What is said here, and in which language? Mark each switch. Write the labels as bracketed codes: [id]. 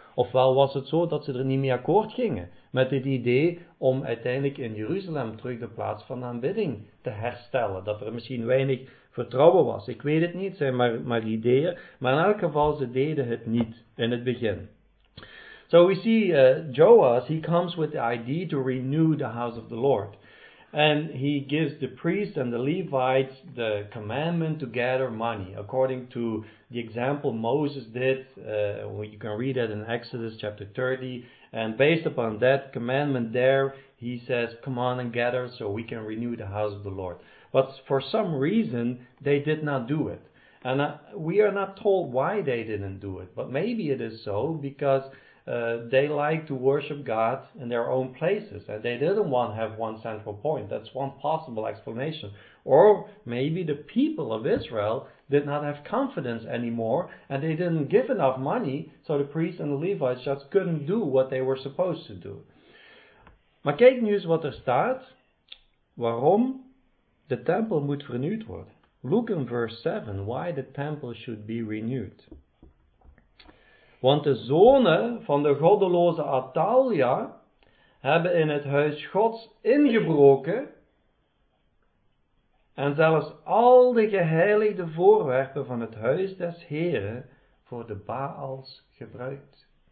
[nl] Ofwel was het zo dat ze er niet mee akkoord gingen met het idee om uiteindelijk in Jeruzalem terug de plaats van de aanbidding te herstellen. Dat er misschien weinig vertrouwen was. Ik weet het niet, het zijn maar ideeën. Maar in elk geval, ze deden het niet in het begin. [en] So we see Joas, he comes with the idea to renew the house of the Lord. And he gives the priests and the Levites the commandment to gather money, according to the example Moses did. You can read that in Exodus chapter 30. And based upon that commandment there, he says, come on and gather so we can renew the house of the Lord. But for some reason, they did not do it. And we are not told why they didn't do it, but maybe it is so because they like to worship God in their own places and they didn't want to have one central point. That's one possible explanation. Or maybe the people of Israel did not have confidence anymore and they didn't give enough money, so the priests and the Levites just couldn't do what they were supposed to do. [nl] Maar kijk nu eens wat staat, waarom de tempel moet vernieuwd worden. [en] Look in verse 7, why the temple should be renewed. [nl] Want de zonen van de goddeloze Atalia hebben in het huis Gods ingebroken en zelfs al de geheiligde voorwerpen van het huis des Heren voor de Baals gebruikt.